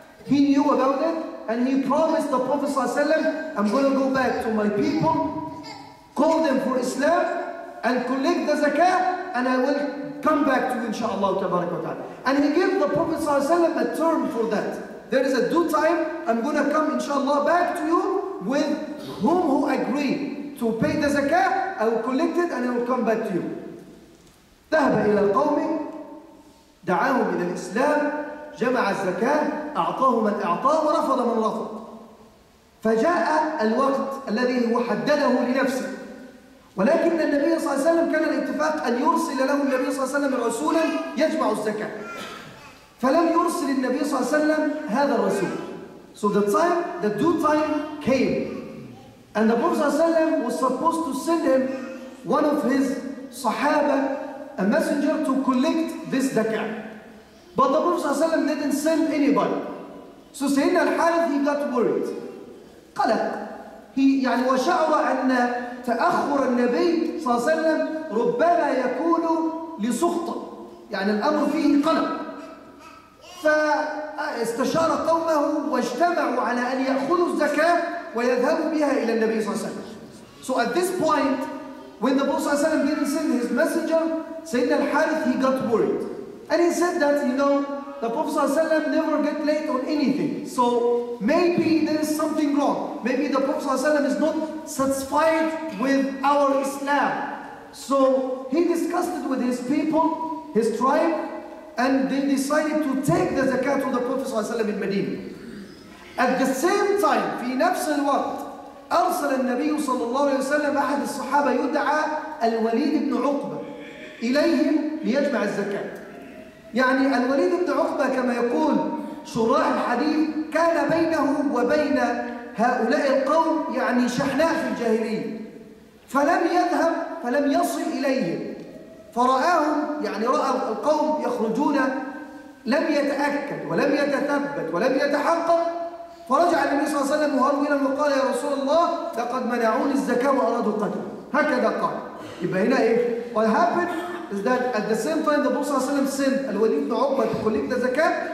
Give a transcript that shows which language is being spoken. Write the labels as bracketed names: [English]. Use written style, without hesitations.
[English] He knew about it and he promised the Prophet ﷺ, I'm going to go back to my people, call them for Islam and collect the zakah and I will come back to you inshallah tabarak wa ta'ala. And he gave the Prophet ﷺ a term for that. There is a due time, I'm going to come inshallah back to you with whom who agree to pay the zakah, I will collect it and I will come back to you. [Arabic] ذهب إلى القوم دعاهم إلى الإسلام جمع الزكاة أعطاه من أعطى ورفض من رفض. فجاء الوقت الذي هو حدده لنفسه, ولكن النبي صلى الله عليه وسلم كان الاتفاق أن يرسل له النبي صلى الله عليه وسلم رسولا يجمع الزكاة, فلم يرسل النبي صلى الله عليه وسلم هذا الرسول. [English] So the due time came. And the Prophet ﷺ was supposed to send him one of his Sahaba, a messenger, to collect this zakah. But the Prophet ﷺ didn't send anybody. So Sayyidina Al-Harith, he got worried. [Arabic] قلق. يعني وشعر أن تأخر النبي صلى الله عليه وسلم ربما يكون لسخطة. يعني الأمر فيه قلق. فاستشار قومه واجتمعوا على أن يأخذوا الزكاة ويذهبوا بها إلى النبي صلى الله عليه وسلم. [English] So at this point, when the Prophet [Arabic] صلى الله عليه وسلم [English] didn't send his messenger, [Arabic] سيدنا الحارث, [English] he got worried. And he said that, you know, the Prophet [Arabic] صلى الله عليه وسلم [English] never get late on anything. So maybe there is something wrong. Maybe the Prophet [Arabic] صلى الله عليه وسلم [English] is not satisfied with our Islam. So he discussed it with his people, his tribe, and they decided to take the zakat to the Prophet [Arabic] صلى الله عليه وسلم [English] in Medina. At the same time, [Arabic] في نفس الوقت, أرسل النبي صلى الله عليه وسلم أحد الصحابة يدعى الوليد بن عقبة إليهم ليجمع الزكاة. يعني الوليد بن عقبة كما يقول شراح الحديث كان بينه وبين هؤلاء القوم يعني شحناء في الجاهلية. فلم يذهب فلم يصل إليهم فرآهم يعني رأى القوم يخرجون لم يتأكد ولم يتثبت ولم يتحقق فرجع النبي صلى الله عليه وسلم مهرولا وقال يا رسول الله لقد منعوني الزكاة وأرادوا القتل هكذا قال يبقى هنا إيه [English] What happened is that at the same time the Prophet صلى الله عليه وسلم sent الوليد بن عقبة to collect the zakat